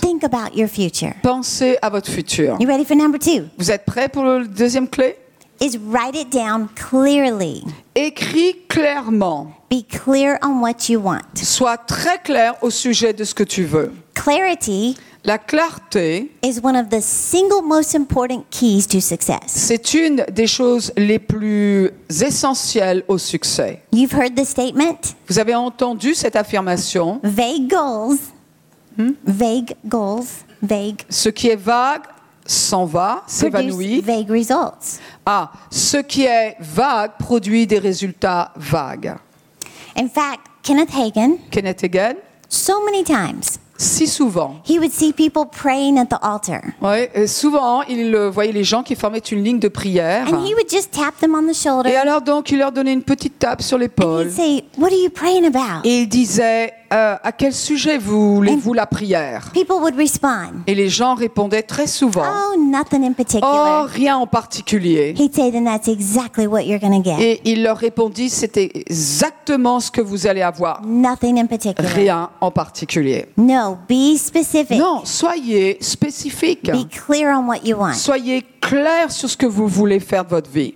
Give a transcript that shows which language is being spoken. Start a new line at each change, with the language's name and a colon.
English: Think about your future.
French: Pensez à votre futur.
English: You ready for number two?
French: Vous êtes prêt pour le deuxième clé?
English: Is write it down clearly.
French: Écris clairement.
English: Be clear on what you want.
French: Sois très clair au sujet de ce que tu veux.
English: Clarity.
French: La clarté
English: is one of the single most important keys to success.
French: C'est une des choses les plus essentielles au succès.
English: You've heard the statement?
French: Vous avez entendu cette affirmation?
English: Vague goals. Vague goals, vague.
French: Ce qui est vague s'en va, s'évanouit.
English: Produce vague results.
French: Ah, ce qui est vague produit des résultats vagues.
English: In fact, Kenneth Hagin, so many times.
French: Si souvent.
English: He would see people praying at the altar.
French: Ouais, souvent, il voyait les gens qui formaient une ligne de prière.
English: And he would just tap them on the shoulder.
French: Et alors donc, il leur donnait une petite tape sur l'épaule.
English: And he'd say, "What are you praying about?"
French: Et il disait, à quel sujet voulez-vous la prière?
English: People would respond.
French: Et les gens répondaient très souvent.
English: Oh, nothing in particular.
French: Oh, rien en particulier.
English: He'd say, "Then that's exactly what you're going to get."
French: Et il leur répondit, c'est exactement ce que vous allez avoir.
English: Nothing in particular.
French: Rien en particulier.
English: No, be specific.
French: Non, soyez spécifique.
English: Be clear on what you want.
French: Soyez clair sur ce que vous voulez faire de votre vie.